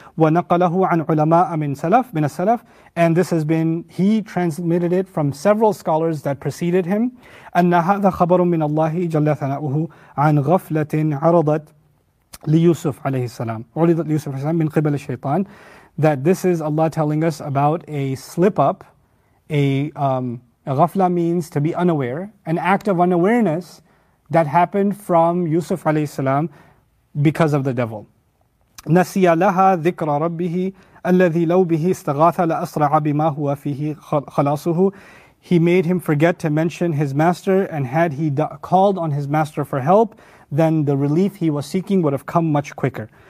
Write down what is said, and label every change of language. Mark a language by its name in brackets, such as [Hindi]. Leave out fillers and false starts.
[Arabic] ونقله عن علماء من سلف من السلف. [English] And this has been he transmitted it from several scholars that preceded him. [Arabic] أن هذا خبر من الله جل ثناؤه عن غفلة عرضت ليوسف عليه السلام. عرضت ليوسف عليه السلام من قبل الشيطان. [English] That this is Allah telling us about a slip up. A غفلة means to be unaware, an act of unawareness. That happened from Yusuf alayhi salam because of the devil. [Arabic] نَسِيَ لَهَا ذِكْرَ رَبِّهِ الَّذِي لَوْ بِهِ اسْتَغَاثَ لَأَسْرَعَ بِمَا هُوَ فِيهِ خَلَاصُهُ [English] He made him forget to mention his master, and had he called on his master for help, then the relief he was seeking would have come much quicker.